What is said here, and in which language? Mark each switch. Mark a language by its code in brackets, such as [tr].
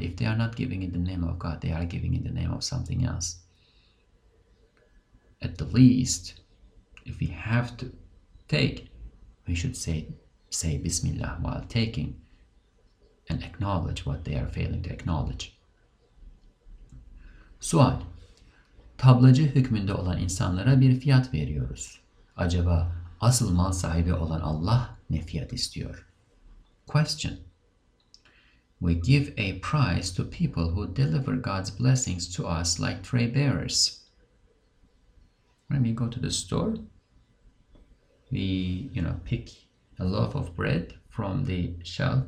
[en] If they are not giving in the name of God, they are giving in the name of something else. At the least, if we have to take, we should say Bismillah while taking and acknowledge what they are failing to acknowledge. [tr] Sual: tablacı hükmünde olan insanlara bir fiyat veriyoruz. Acaba asıl mal sahibi olan Allah ne fiyat istiyor? [en] Question: we give a price to people who deliver God's blessings to us like tray bearers. When we go to the store, we, you know, pick a loaf of bread from the shelf.